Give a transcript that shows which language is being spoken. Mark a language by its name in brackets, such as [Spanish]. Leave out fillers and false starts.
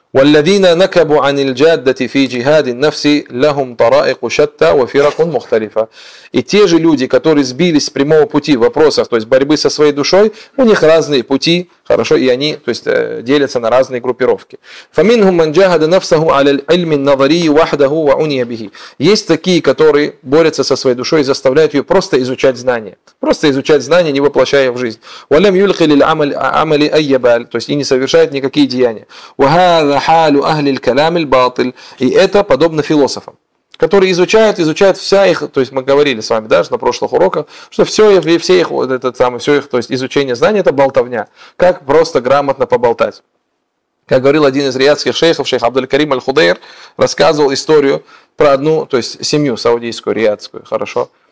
[Arabic] والذين نكبوا عن الجادة في جهاد النفس لهم طرائق شتى وفرق مختلفة. [Russian] И те же люди, которые сбились с прямого пути в вопросах, то есть борьбы со своей душой, у них разные пути, хорошо, и они, то есть, делятся на разные группировки. [Arabic] فمنهم من جاهد نفسه على العلم النظري وحده وعني به. [Russian] Есть такие, которые борются со своей душой и заставляют ее просто изучать знания. Просто изучать знания, не воплощая в жизнь. [Arabic] ولم يلقي للعمل أي بال, [Russian] то есть и не совершает никакие деяния. [Arabic] وهذا حال أهل الكلام الباطل. [Russian] И это подобно философам, которые изучают вся их, то есть мы говорили с вами, да, на прошлых уроках, что все их, то есть изучение знаний — это болтовня. Как просто грамотно поболтать. Как говорил один из риядских шейхов, шейх Абдул-Карим Аль-Худейр, рассказывал историю про одну, то есть семью саудийскую, риядскую, хорошо.